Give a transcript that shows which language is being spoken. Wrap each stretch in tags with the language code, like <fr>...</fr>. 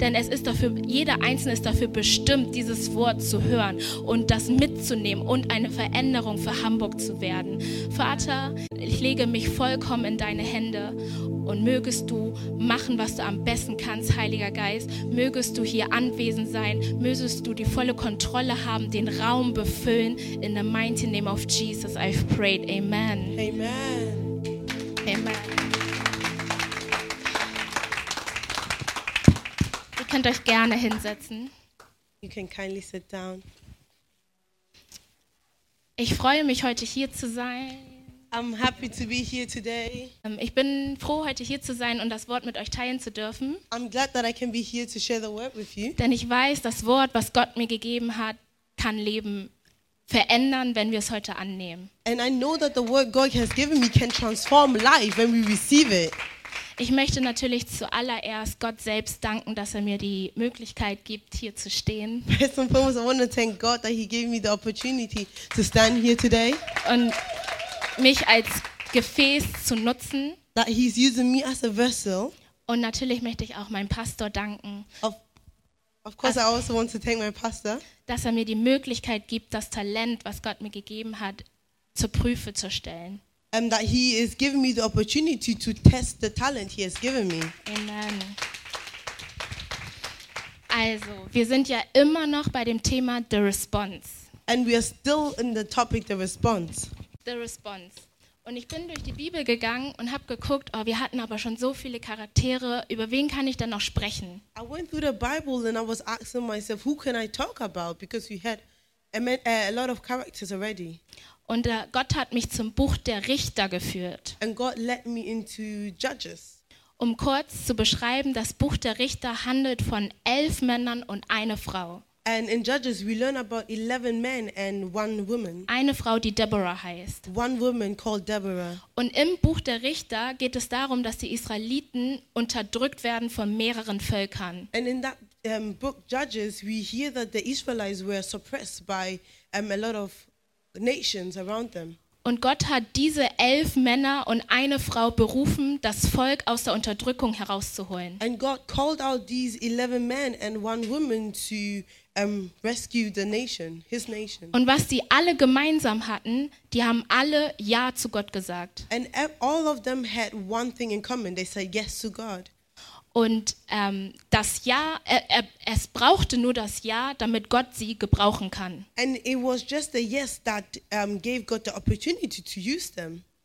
<de>Denn es ist dafür, jeder Einzelne ist dafür bestimmt, dieses Wort zu hören und das mitzunehmen und eine Veränderung für Hamburg zu werden. Vater, ich lege mich vollkommen in deine Hände und mögest du machen, was du am besten kannst, Heiliger Geist. Mögest du hier anwesend sein, mögest du die volle Kontrolle haben, den Raum befüllen.</de> <en>In the mighty name of Jesus, I've prayed. Amen. Amen. Amen. Amen.</en> <de>Ihr könnt euch gerne hinsetzen.</de> <en>You can kindly sit down.</en> <de>Ich freue mich, heute hier zu sein.</de> <en>I'm happy to be here today.</en> <de>Ich bin froh, heute hier zu sein und das Wort mit euch teilen zu dürfen.</de> <en>I'm glad that I can be here to share the word with you.</en> <de>Denn ich weiß, das Wort, was Gott mir gegeben hat, kann Leben verändern, wenn wir es heute annehmen.</de> <en>And I know that the word God has given me can transform life when we receive it.</en> <de>Ich möchte natürlich zuallererst Gott selbst danken, dass er mir die Möglichkeit gibt, hier zu stehen.</de> <en>First and foremost, I want to thank God that he gave me the opportunity to stand here today.</en> <de>Und mich als Gefäß zu nutzen.</de> <en>That he's using me as a vessel.</en> <de>Und natürlich möchte ich auch meinem Pastor danken.</de> <en>Of course, I also want to thank my pastor.</en> <de>Dass er mir die Möglichkeit gibt, das Talent, was Gott mir gegeben hat, zur Prüfe zu stellen.</de> <en>And that he is giving me the opportunity to test the talent he has given me. Amen.</en> <de>Also, wir sind ja immer noch bei dem Thema The Response.</de> <en>And we are still in the topic The Response. The Response.</en> <de>Und ich bin durch die Bibel gegangen und habe geguckt, oh, wir hatten aber schon so viele Charaktere, über wen kann ich denn noch sprechen?</de> <en>I went through the Bible and I was asking myself, who can I talk about? Because we had a lot of characters already.</en> <de>Und Gott hat mich zum Buch der Richter geführt.</de> <en>And God led me into Judges.</en> <de>Um kurz zu beschreiben, das Buch der Richter handelt von 11 Männern und einer Frau.</de> <en>And in Judges we learn about 11 men and one woman.</en> <de>Eine Frau, die Deborah heißt.</de> <en>One woman called Deborah.</en> <de>Und im Buch der Richter geht es darum, dass die Israeliten unterdrückt werden von mehreren Völkern.</de> <en>And in that book Judges we hear that the Israelites were suppressed by a lot of nations around them.</en> <de>Und Gott hat diese 11 Männer und eine Frau berufen, das Volk aus der Unterdrückung herauszuholen.</de> <en>And God called out these 11 men and one woman to rescue the nation, his nation.</en> <de>Und was sie alle gemeinsam hatten, die haben alle Ja zu Gott gesagt.</de> <en>And all of them had one thing in common, they said yes to God.</en> <de>Und das Ja, es brauchte nur das Ja, damit Gott sie gebrauchen kann.</de> <en>And it was just the yes that gave God the opportunity to use them.</en>